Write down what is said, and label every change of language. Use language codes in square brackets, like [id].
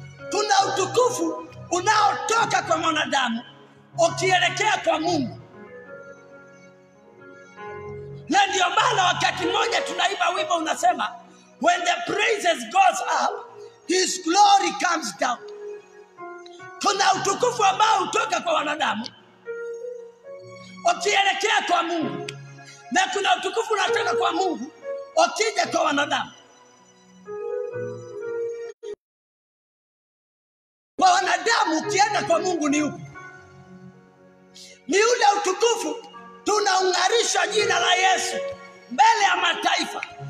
[sw] Tuna utukufu unaotoka kwa mwanadamu ukielekea kwa Mungu. Na ndio maana wakati mmoja tunaimba wimbo unasema, [en] when the praises goes up, his glory comes down. [sw] Kuna utukufu ambao utoka kwa wanadamu ukielekea kwa Mungu. Na kuna utukufu unatoka kwa Mungu ukija kwa wanadamu. Kwa wanadamu ukienda kwa Mungu ni upi? Ni ule utukufu tunaungarisha jina la Yesu mbele ya mataifa.